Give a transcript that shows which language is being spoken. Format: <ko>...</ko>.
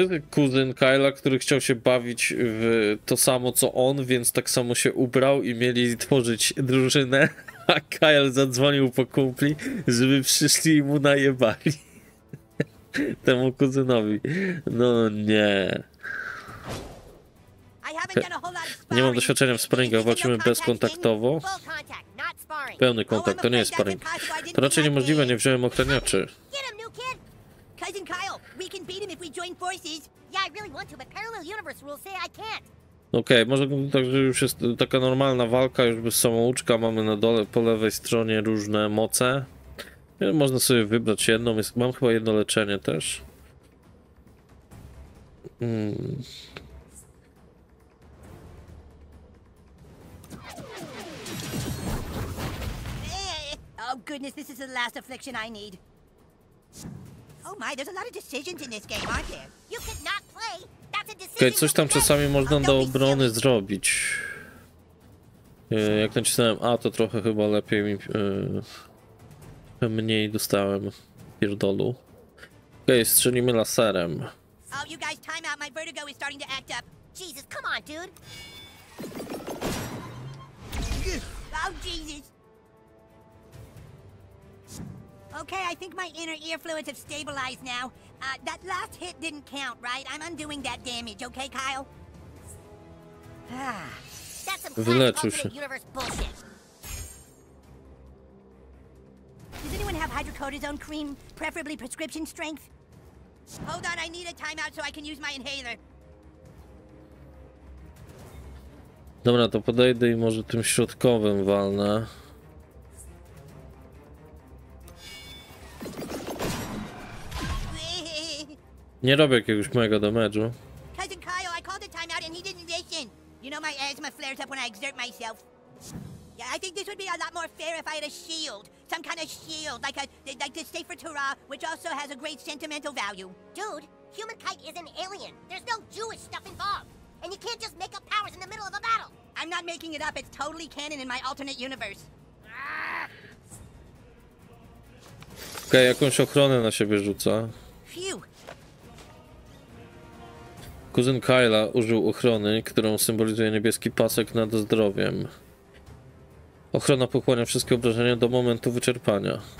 <pl>kuzyn Kyla, który chciał się bawić w to samo co on, więc tak samo się ubrał i mieli tworzyć drużynę, a Kyle zadzwonił po kumpli, żeby przyszli i mu najebali temu kuzynowi. No nie. Nie mam doświadczenia w sparingach, walczymy bezkontaktowo. Pełny kontakt, to nie jest sparing. To raczej niemożliwe, nie wziąłem ochraniaczy.</pl> <en>Cousin Kyle, we can beat him if we join forces. Yeah, I really want to, but parallel universe rules say I can't.</en> <pl>Okej, może także już jest taka normalna walka, już bez samouczka, mamy na dole po lewej stronie różne moce. Można sobie wybrać jedną, jest, mam chyba jedno leczenie też.</pl> <en>Oh goodness, this is the last affliction I need. Oh my, there's a lot of decisions in this game, aren't there? You could not play. That's a decision.</en> <pl>Okay, coś tam czasami można do obrony zrobić. Jak nacisnąłem A, to trochę chyba lepiej mi mniej dostałem pierdolu. Okay, strzelimy laserem.</pl> <en>Oh, you guys, time out. My vertigo is starting to act up. Jesus, come on, dude. Oh Jesus. Okay, I think my inner ear fluids have stabilized now. That last hit didn't count, right? I'm undoing that damage, okay, Kyle? That's some classic alternate universe bullshit. Does anyone have hydrocortisone cream, preferably prescription strength? Hold on, I need a timeout so I can use my inhaler.</en> <pl>Dobra, to podejdę i może tym środkowym walnę. Nie robię jakiegoś mega damage'u.</pl> <en>Cousin Kyle, I called a timeout and he didn't listen. You know my asthma flares up when I exert myself. Yeah, I think this would be a lot more fair if I had a shield. Some kind of shield, like a like the Safer Torah, which also has a great sentimental value. Dude, humankind is an alien. There's no Jewish stuff involved. And you can't just make up powers in the middle of a battle. I'm not making it up, it's totally canon in my alternate universe.</en> <pl>Okej, jakąś ochronę na siebie rzuca. Kuzyn Kyla użył ochrony, którą symbolizuje niebieski pasek nad zdrowiem. Ochrona pochłania wszystkie obrażenia do momentu wyczerpania.</pl>